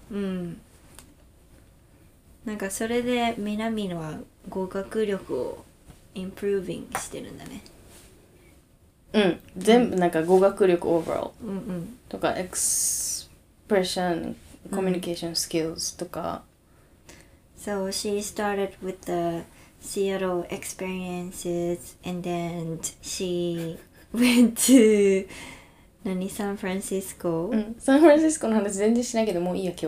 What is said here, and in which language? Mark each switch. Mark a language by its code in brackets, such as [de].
[ja] うんなんかそれで南のは語学力をインプルーヴィングしてるんだねうん全部なんか語学力オーバーオール、うんうん、とかエクスプレッションコミュニケーションスキルズとか、 [en] うん、So she started with the Seattle experiences and then she went to 何サンフランシスコ、 [ja] うん、サンフランシスコの話全然しないけどもういいや今日